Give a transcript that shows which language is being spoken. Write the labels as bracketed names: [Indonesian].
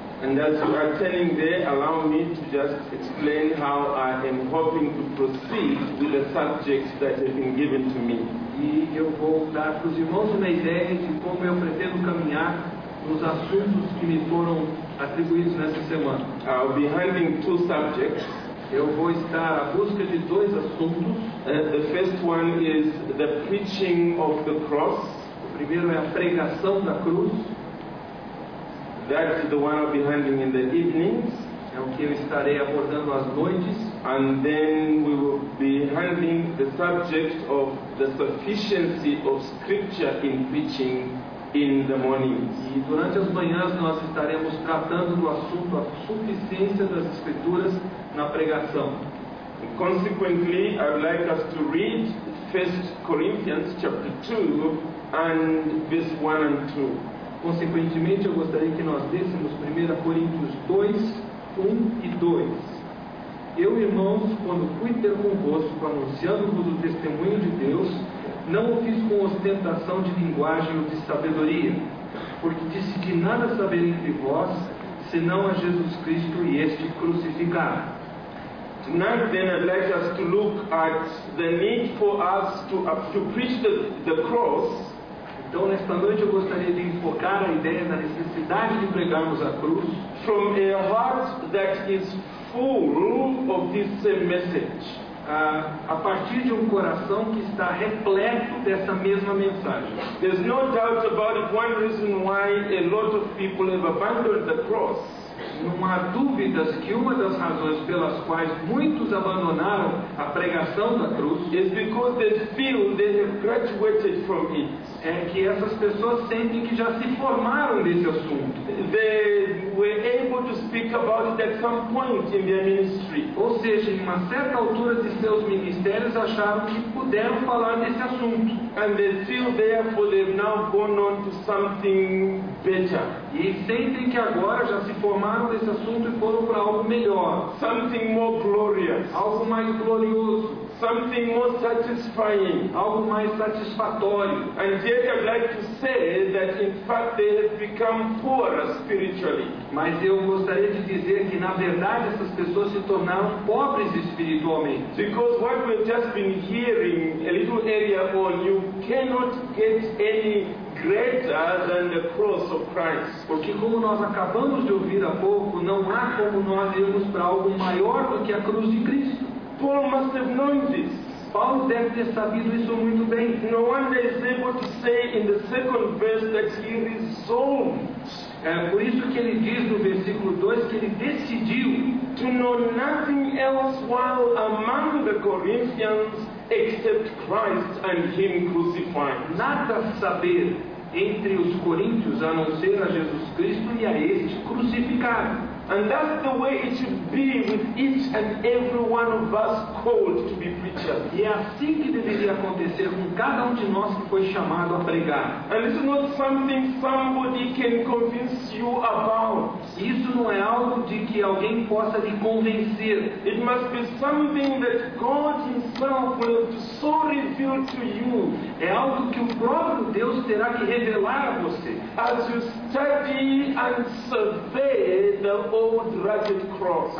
[English] And as you are telling there, allow me to just explain how I am hoping to proceed with the subjects that have been given to me. [Portuguese] E eu vou dar para os irmãos uma ideia de como eu pretendo caminhar nos assuntos que me foram atribuídos nessa semana. [English] I'll be handling 2 subjects. [Portuguese] Eu vou estar à busca de 2 assuntos. [English] The first one is the preaching of the cross. [Portuguese] O primeiro é a pregação da cruz. [English] That's the one I'll be handling in the evenings. [Portuguese] É o que eu estarei abordando às noites. [English] And then we will be handling the subject of the sufficiency of Scripture in preaching in the mornings. [Portuguese] E durante as manhãs nós estaremos tratando do assunto a suficiência das Escrituras na pregação. [English] Consequently, I would like us to read 1 Corinthians chapter 2 and verse 1 and 2. [Portuguese] Consequentemente, eu gostaria que nós lêssemos 1 Coríntios 2, 1 e 2. Eu, irmãos, quando fui ter convosco, anunciando-vos o testemunho de Deus, não o fiz com ostentação de linguagem ou de sabedoria, porque disse que nada saber entre vós, senão a Jesus Cristo e este crucificado. [English] Tonight, then, I'd like us to look at the need for us to preach the cross. [Portuguese] Então, nesta noite, eu gostaria de enfocar a ideia da necessidade de pregarmos a cruz [English] from a heart that is full of this same message. [Portuguese] A partir de coração que está repleto dessa mesma mensagem. [English] There's no doubt about it, one reason why a lot of people have abandoned the cross. [Portuguese] Não há dúvidas que uma das razões pelas quais muitos abandonaram a pregação da cruz [English] is because they feel they have graduated from it. [Portuguese] É que essas pessoas sentem que já se formaram nesse assunto. [English] They were able to speak about it at some point in their ministry. [Portuguese] Ou seja, em uma certa altura de seus ministérios acharam que puderam falar desse assunto. [English] And they feel therefore they've now gone on to something better. [Portuguese] E sentem que agora já se formaram desse assunto e foram para algo melhor. [English] Something more glorious. [Portuguese] Algo mais glorioso. [English] Something more satisfying. [Portuguese] Algo mais satisfatório. [English] And yet I'd like to say that in fact they have become poorer spiritually. [Portuguese] Mas eu gostaria de dizer que na verdade essas pessoas se tornaram pobres espiritualmente. [English] Because what we've just been hearing a little earlier on, you cannot get any greater than the cross of Christ. [Portuguese] Porque como nós acabamos de ouvir há pouco, não há como nós irmos para algo maior do que a cruz de Cristo. [English] Paul must have known this. [Portuguese] Paulo deve ter sabido isso muito bem. [English] No wonder he's able to say in the second verse that he resolved. [Portuguese] É por isso que ele diz no versículo 2 que ele decidiu [English] to know nothing else while among the Corinthians except Christ and Him crucified. [Portuguese] Nada saber entre os coríntios a não ser a Jesus Cristo e a este crucificado. [English] And that's the way it should be with each and every one of us called to be preachers. [Portuguese] E é assim que deveria acontecer com cada de nós que foi chamado a pregar. [English] And this is not something somebody can convince you about. [Portuguese] Isso não é algo de que alguém possa lhe convencer. [English] It must be something that God Himself will so reveal to you. [Portuguese] É algo que o próprio Deus terá que revelar a você. [English] As you study and survey the old rugged cross.